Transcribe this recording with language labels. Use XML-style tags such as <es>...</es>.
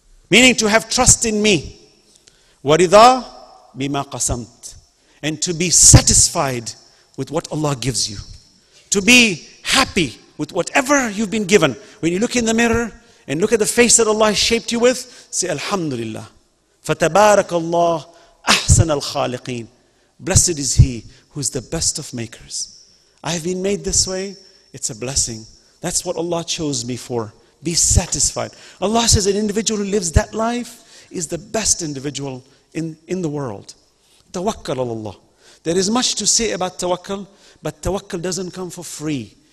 <en>Meaning to have trust in me.</en> <ar>وَرِضَى بِمَا قَسَمْتِ</ar> <en>And to be satisfied with what Allah gives you. To be happy with whatever you've been given. When you look in the mirror and look at the face that Allah has shaped you with, say, Alhamdulillah.</en> <ar>فَتَبَارَكَ اللَّهُ أَحْسَنَ الْخَالِقِينَ</ar> <en>Blessed is He. Who's the best of makers. I have been made this way. It's a blessing. That's what Allah chose me for. Be satisfied. Allah says an individual who lives that life is the best individual in the world. Tawakkal ala Allah. There is much to say about tawakkal, but tawakkal doesn't come for free.</en>